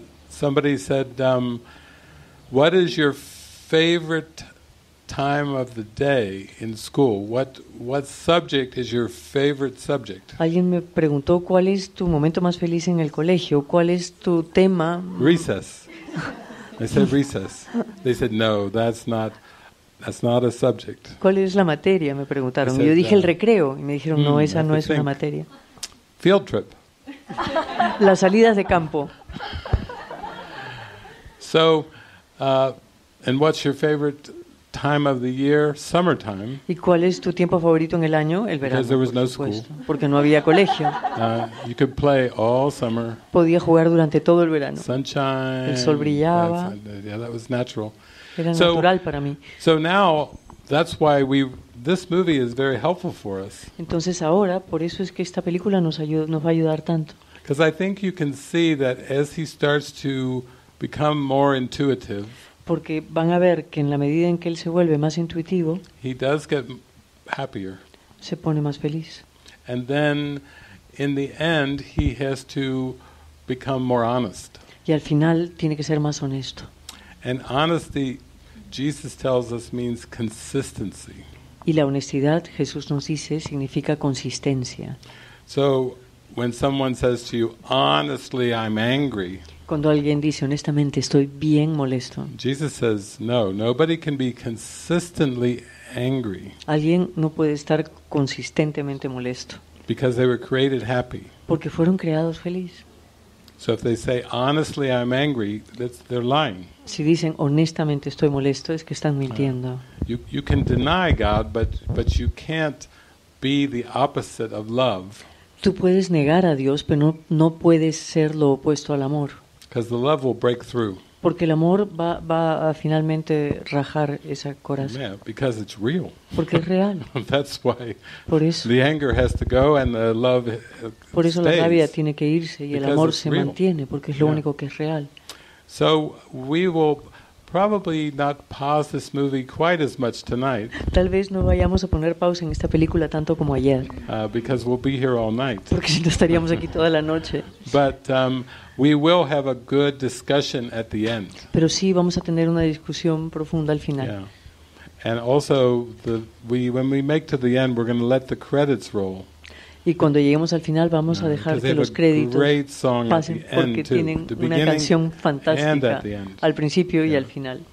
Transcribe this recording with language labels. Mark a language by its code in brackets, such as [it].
[en] Somebody said, "What is your favorite time of the day in school? What subject is your favorite subject?" [es] Alguien me preguntó cuál es tu momento más feliz en el colegio. ¿Cuál es tu tema? [en] Recess. I said recess. They said no. That's not a subject. [es] ¿Cuál es la materia? Me preguntaron. Yo dije el recreo y me dijeron no, esa no es una materia. [en] Field trip. [es] Las salidas de campo. [en] So. And what's your favorite time of the year? Summertime. [es] ¿Y cuál es tu tiempo favorito en el año? El verano. [en] Because there was no [es] supuesto. [en] School. [es] Porque no había colegio. [en] You could play all summer. [es] Podía jugar durante todo el verano. [en] Sunshine. [es] El sol brillaba. [en] Yeah, that was natural. [es] Era natural para mí. [en] So now, that's why we. This movie is very helpful for us. [es] Entonces ahora, por eso es que esta película nos va a ayudar tanto. [en] Because I think you can see that as he starts to become more intuitive. [es] Porque van a ver que en la medida en que él se vuelve más intuitivo, [en] he does get happier. [es] Se pone más feliz. [en] And then, in the end, he has to become more honest. [es] Y al final tiene que ser más honesto. [en] And honesty, Jesus tells us, means consistency. [es] Y la honestidad, Jesús nos dice, significa consistencia. [en] So, when someone says to you, honestly, I'm angry. [es] Cuando alguien dice honestamente estoy bien molesto. [en] Jesus says no, nobody can be consistently angry. [es] Alguien no puede estar consistentemente molesto. [en] Because they were created happy. [es] Porque fueron creados felices. [en] So if they say honestly I'm angry, that's they're lying. [es] Si dicen honestamente estoy molesto es que están mintiendo. [en] You can deny God but you can't be the opposite of love. [es] Tú puedes negar a Dios pero no puedes ser lo opuesto al amor. [en] Because the love will break through. [es] Porque el amor va a finalmente rajar esa coraza. [en] Yeah, because it's real. [es] Porque es real. [en] That's why. [es] Por eso. [en] The anger has to go and the love stays. [es] Por eso la rabia tiene que irse y el amor se mantiene porque es lo único que es real. [en] So we will probably not pause this movie quite as much tonight. [es] Tal vez no vayamos a poner pausa en esta película tanto como ayer. [en] Because we'll be here all night. [es] Porque si no estaríamos aquí toda la noche. [en] But we will have a good discussion at the end. [es] Pero sí vamos a tener una discusión profunda al final. [en] Yeah. And also when we make to the end we're going to let the credits roll. [es] Y cuando lleguemos al final vamos a dejar que los créditos [en] great song [es] pasen [en] at the end [es] porque tienen una canción fantástica al principio y al final.